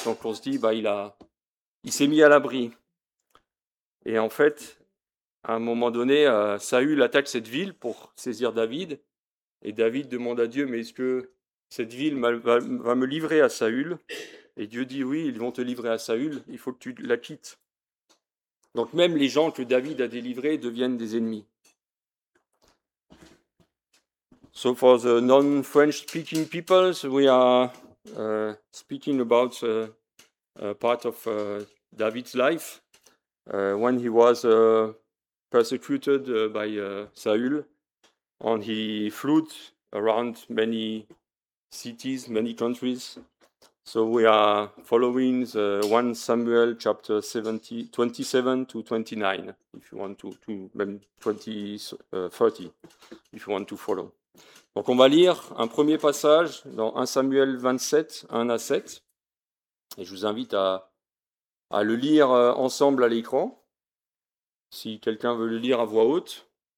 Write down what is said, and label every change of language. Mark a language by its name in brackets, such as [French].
[French] Donc on se dit, il s'est mis à l'abri. Et en fait, à un moment donné, Saül attaque cette ville pour saisir David. Et David demande à Dieu, mais est-ce que cette ville va me livrer à Saül? Et Dieu dit, oui, ils vont te livrer à Saül, il faut que tu la quittes. Donc même les gens que David a délivrés deviennent des ennemis. [English] So for the non-French speaking peoples, we are speaking about a part of David's life when he was persecuted by Saul, and he fled around many cities, many countries. So we are following the 1 Samuel chapter 27 to 29, if you want to maybe 30, if you want to follow. [French] Donc on va lire un premier passage dans 1 Samuel 27, 1 à 7. Et je vous invite à le lire ensemble à l'écran, si quelqu'un veut le lire à voix haute.